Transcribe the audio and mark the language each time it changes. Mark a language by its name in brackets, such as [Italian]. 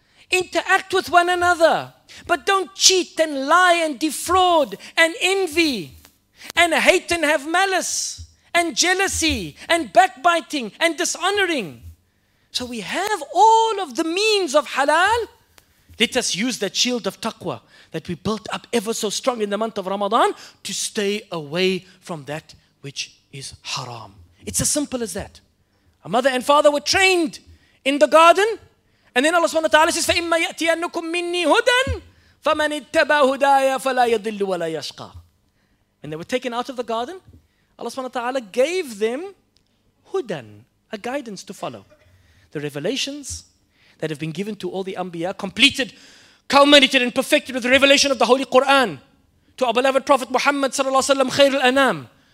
[English] Interact with one another, but don't cheat and lie and defraud and envy and hate and have malice and jealousy and backbiting and dishonoring. So we have all of the means of halal, Let us use that shield of taqwa that we built up ever so strong in the month of Ramadan to stay away from that which is haram. It's as simple as that. A mother and father were trained in the garden. And then Allah subhanahu wa ta'ala says, [Arabic] فَإِمَّا يَأْتِيَنُّكُمْ مِنِّي هُدًا فَمَنِ اتَّبَاهُ هُدَايَ فَلَا يَضِلُّ وَلَا يَشْقَى. [English] And they were taken out of the garden. Allah subhanahu wa ta'ala gave them hudan, a guidance to follow. The revelations that have been given to all the anbiya, completed, culminated and perfected with the revelation of the Holy Quran to our beloved Prophet Muhammad sallallahu alaihi wasallam, khair al-anam.